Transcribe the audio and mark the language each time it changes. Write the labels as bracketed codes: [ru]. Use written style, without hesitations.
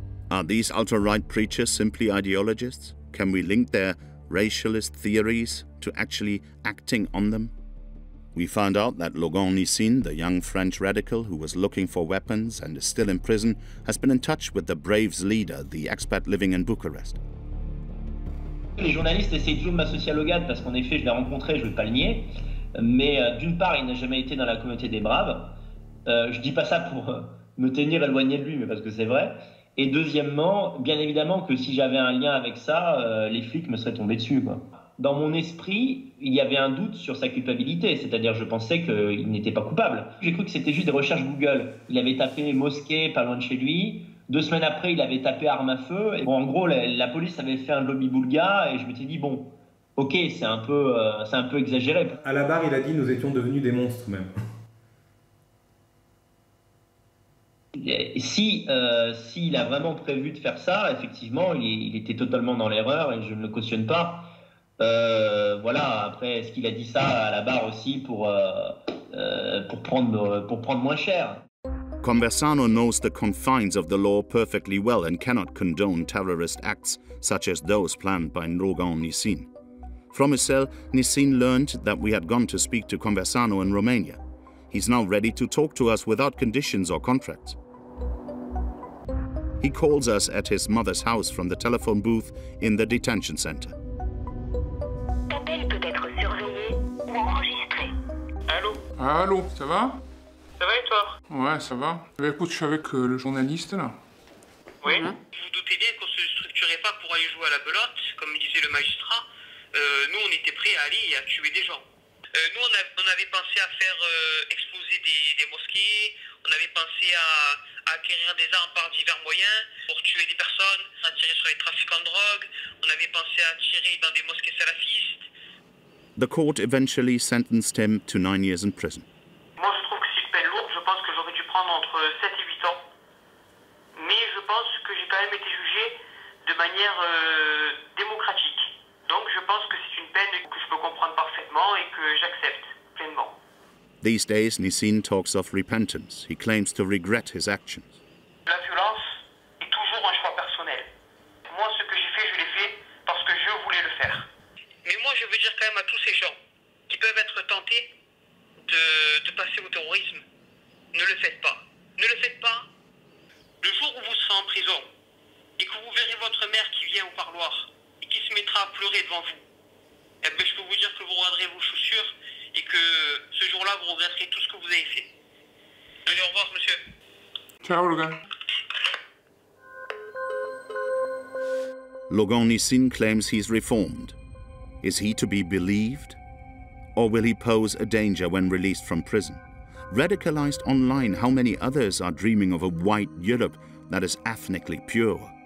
[en] Are these ultra-right preachers simply ideologists? Can we link their racialist theories to actually acting on them? We found out that Logan Nissin, the young French radical who was looking for weapons and is still in prison, has been in touch with the Braves leader, the expat living in Bucharest. [fr] Les journalistes essayent toujours de m'associer à Logan parce qu'en effet, je l'ai rencontré, je ne veux pas le nier. Mais d'une part, il n'a jamais été dans la communauté des Braves. Je ne dis pas ça pour me tenir éloigné de lui, mais parce que c'est vrai. Et deuxièmement, bien évidemment que si j'avais un lien avec ça, les flics me seraient tombés dessus, quoi. Dans mon esprit, il y avait un doute sur sa culpabilité, c'est-à-dire je pensais qu'il n'était pas coupable. J'ai cru que c'était juste des recherches Google. Il avait tapé mosquée pas loin de chez lui. 2 semaines après, il avait tapé arme à feu. Et bon, en gros, la police avait fait un lobby boulga et je m'étais dit, bon, ok, c'est un peu exagéré. À la barre, il a dit, nous étions devenus des monstres même. S'il a vraiment prévu de faire ça, effectivement, il était totalement dans l'erreur et je ne le cautionne pas. Voilà, après, est-ce qu'il a dit ça à la barre aussi pour prendre moins cher? [en] Conversano knows the confines of the law perfectly well and cannot condone terrorist acts such as those planned by Nrogan Nissin. From his cell, Nissin learned that we had gone to speak to Conversano in Romania. He's now ready to talk to us without conditions or contracts. He calls us at his mother's house from the telephone booth in the detention center. [fr] Allô? Allô, ça va? Ça va et toi? Ouais, ça va. Écoute, je suis avec le journaliste là. Oui. Vous vous doutez bien qu'on ne se structurait pas pour aller jouer à la belote, comme disait le magistrat. Nous, on était prêts à aller et à tuer des gens. Nous, on avait pensé à faire exploser des mosquées, on avait pensé à acquérir des armes par divers moyens pour tuer des personnes, à tirer sur les trafiquants de drogue, on avait pensé à tirer dans des mosquées salafistes. [en] The court eventually sentenced him to 9 years in prison. [fr] Moi, je trouve que c'est une peine lourde, je pense que j'aurais dû prendre entre 7 et 8 ans. Mais je pense que j'ai quand même été jugé de manière démocratique. Donc je pense que c'est une peine que je peux comprendre parfaitement et que j'accepte pleinement. [en] These days, Nissin talks of repentance. He claims to regret his actions. [fr] La violence est toujours un choix personnel. Moi, ce que j'ai fait, je l'ai fait parce que je voulais le faire. Mais moi, je veux dire quand même à tous ces gens qui peuvent être tentés de passer au terrorisme, ne le faites pas. Ne le faites pas. Le jour où vous serez en prison et que vous verrez votre mère qui vient au parloir, qui se mettra à pleurer devant vous, et bien, je peux vous dire que vous regarderez vos chaussures et que ce jour-là, vous regretterez tout ce que vous avez fait. Allez, au revoir, monsieur. Ciao, Logan. [en] Logan Nissin claims he's reformed. Is he to be believed? Or will he pose a danger when released from prison? Radicalized online, how many others are dreaming of a white Europe that is ethnically pure?